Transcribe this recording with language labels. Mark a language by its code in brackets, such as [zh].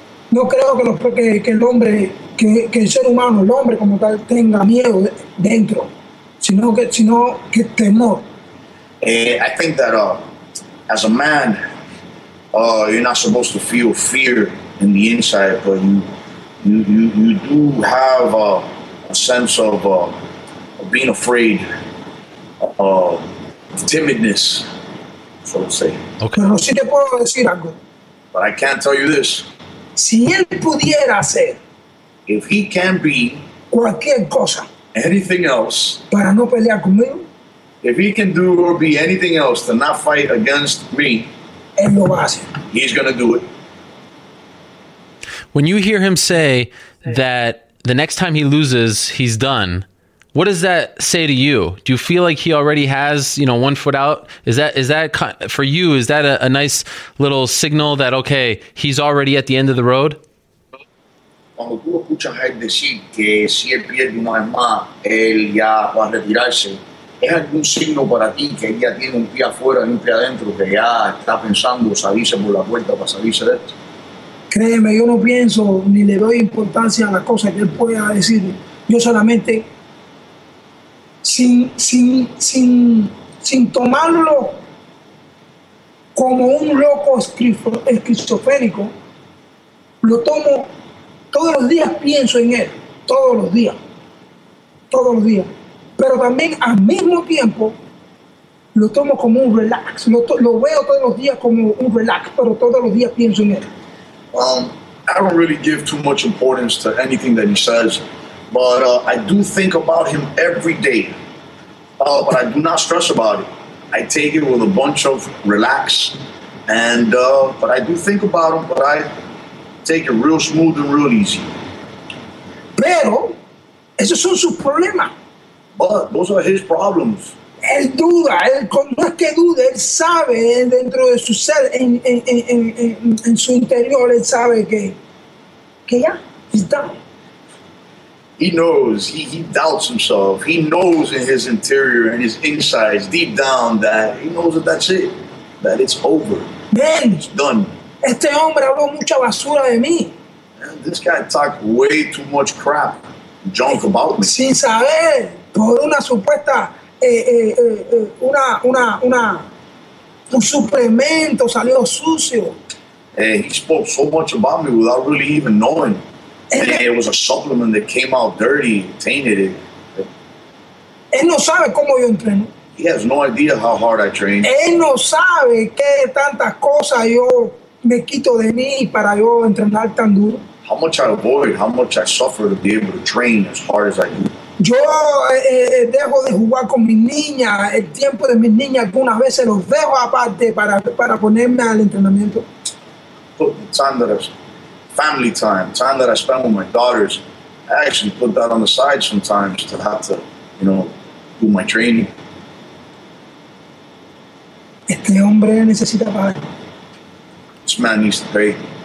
[es] No creo que el hombre, que el ser humano, el hombre como tal, tenga miedo dentro. Sino que temor. [en] I think that as a man, you're not supposed to feel fear in the inside, but you do have a sense of being afraid, timidness, so to say. Okay. [es] Pero sí te puedo decir algo. [en] But I can't tell you this. [es] Si él pudiera ser, [en] if he can be [es] cualquier cosa, [en] anything else, [es] para no pelear conmigo, [en] if he can do or be anything else to not fight against me, [es] él lo va a hacer. [en] He's going to do it. When you hear him say that the next time he loses, he's done, what does that say to you? Do you feel like he already has, you know, one foot out? Is that for you, is that a nice little signal that, okay, he's already at the end of the road? [es] Cuando tú escuchas a él decir que si él pierde una vez más, él ya va a retirarse, ¿es algún signo para ti que él ya tiene un pie afuera y un pie adentro, que ya está pensando salirse por la puerta para salirse de esto? Créeme, yo no pienso ni le doy importancia a las cosas que él pueda decir. Yo solamente, sin tomarlo como un loco esquizofrénico, lo tomo. Todos los días pienso en él, todos los días. Pero también al mismo tiempo lo tomo como un relax. Lo veo todos los días como un relax, pero todos los días pienso en él. [en] I don't really give too much importance to anything that he says, but I do think about him every day. But I do not stress about it. I take it with a bunch of relax, and but I do think about him, but I take it real smooth and real easy. [es] Pero, esos son sus problemas. [en] But those are his problems. [es] Él duda, él, no es que dude, él sabe dentro de su ser, en su interior, él sabe que ya, [en] he's done. He knows, he doubts himself. He knows in his interior and in his insides, deep down, that he knows that that's it, that it's over. Man, it's done. [es] Este hombre habló mucha basura de mí. [en] And this guy talked way too much crap, junk about me. [es] Sin saber, por una supuesta, un suplemento salió sucio. [en] He spoke so much about me without really even knowing. It was a supplement that came out dirty, tainted it. [es] Él no sabe cómo yo entreno. [en] He has no idea how hard I train. [es] Él no sabe qué tantas cosas yo me quito de mí para yo entrenar tan duro. [en] How much I avoid, how much I suffer to be able to train as hard as I do. [es] Yo dejo de jugar con mis niñas, el tiempo de mis niñas algunas veces los dejo aparte para ponerme al entrenamiento. [en] Put the time that I've, family time that I spend with my daughters, I actually put that on the side sometimes to have to, you know, do my training. [es] Este hombre necesita pagar. [en] This man needs to pay.